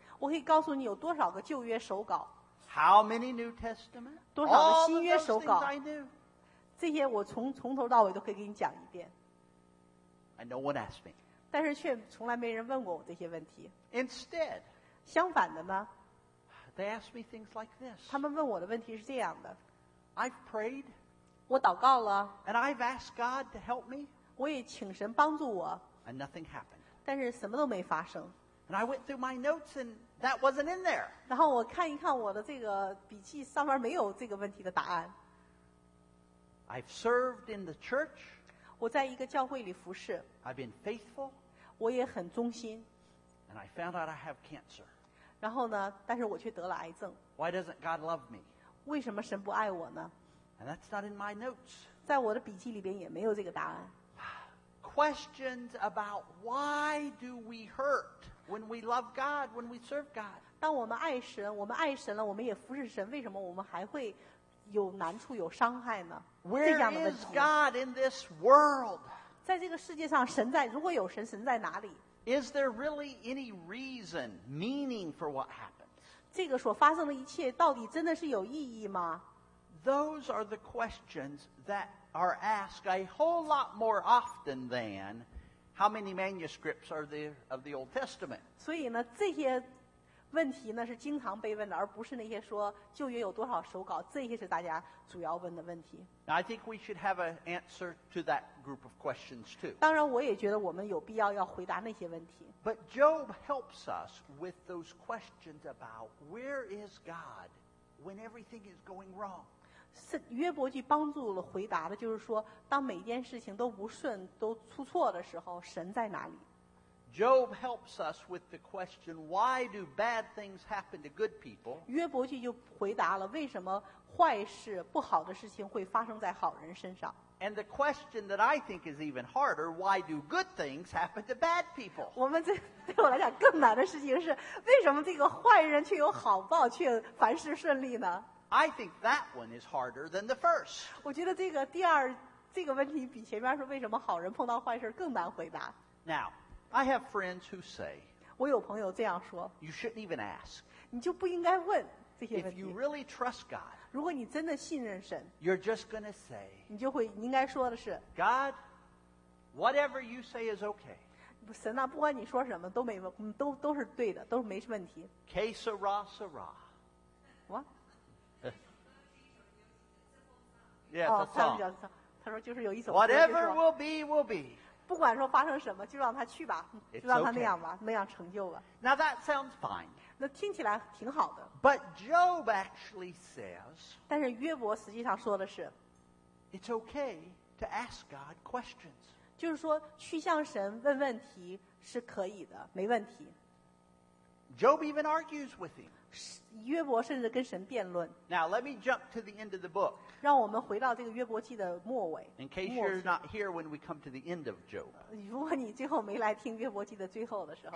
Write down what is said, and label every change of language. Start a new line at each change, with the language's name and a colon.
Chinese: 我可以告诉你有多少个旧约手稿。
English: How many New Testament?
Chinese: 多少个新约手稿？
English: All of those things I knew.
Chinese: 这些我 从头到尾都可以给你讲一遍。
English: And no one asked me.
Chinese: 但是却从来没人问过我这些问题。
English: Instead,
Chinese: 相反的呢
English: they asked me things like this.
Chinese: 他们问我的问题是这样的。
English: I've prayed.
Chinese: 我祷告了。
English: And I've asked God to help me.
Chinese: 我也请神帮助我。
English: And nothing happened.
Chinese: 但是什么都没发生。
English: And I went through my notes and that wasn't in there.
Chinese: 然后我看一看我的这个笔记上面没有这个问题的答案。
English: I've served in the church.
Chinese: 我在一个教会里服侍。
English: I've been faithful.
Chinese: 我也很忠心。
English: And I found out I have cancer.
Chinese: 然后呢，但是我却得了癌症。
English: Why doesn't God love me?
Chinese: 为什么神不爱我呢？
English: And that's not in my notes.
Chinese: 在我的笔记里边也没有这个答案。
English: Questions about why do we hurt when we love God, when we serve God?
Chinese: 当我们爱神，我们爱神了，我们也服侍神，为什么我们还会有难处，有伤害呢？
English: Where is God in this world?
Chinese: 在这个世界上，神在，如果有神，神在哪里？
English: Is there really any reason, meaning for what happened?
Chinese: 这个所发生的一切到底真的是有意义吗？
English: Those are the questions that are asked a whole lot more often than how many manuscripts are there of the Old Testament.
Chinese: 所以呢，这些问题呢是经常被问的，而不是那些说旧约有多少手稿，这些是大家主要问的问题。
English: Now, I think we should have an answer to that group of questions too.
Chinese: 当然，我也觉得我们有必要要回答那些问题。
English: But Job helps us with those questions about where is God when everything is going wrong.
Chinese: 是约伯记帮助了回答的，就是说，当每件事情都不顺、都出错的时候，神在哪里？
English: Job helps us with the question, why do bad things happen to good people?
Chinese: 约伯记就回答了为什么坏事、不好的事情会发生在好人身上。
English: And the question that I think is even harder, why do good things happen to bad people?
Chinese: 我们这对我来讲更难的事情是为什么这个坏人却有好报却凡事顺利呢？
English: I think that one is harder than the first.
Chinese: 我觉得这个第二这个问题比前面说为什么好人碰到坏事更难回答。
English: Now,I have friends who say,
Chinese: 我有朋友这样说,
English: you shouldn't even ask.
Chinese: 你就不应该问这些问题。
English: If you really trust God,
Chinese: 如果你真的信任神,
English: you're just going to say,
Chinese: 你就会,你应该说的是,
English: God, whatever you say is okay.
Chinese: 神啊,不管你说什么,都没,都,都是对的,都没问题。
Spanish: Que sera, sera.
English: What? Yeah, it's a song.
Chinese: 他说就是有一首歌,
English: whatever will be, will be.
Chinese: 不管说发生什么，就让他去吧，
English: It's、
Chinese: 就让他那样吧，
English: okay.
Chinese: 那样成就吧。
English: Now that sounds fine.
Chinese: 那听起来挺好的。
English: But Job actually says.
Chinese: 但是约伯实际上说的是
English: ，It's okay to ask God questions.
Chinese: 就是说去向神问问题是可以的，没问题。
English: Job even argues with him.
Chinese: 约伯甚至跟神辩论。
English: Now let me jump to the end of the book.
Chinese: 让我们回到这个约伯记的末尾。
English: In case you're not here when we come to the end of Job.
Chinese: 如果你最后没来听约伯记的最后的时候。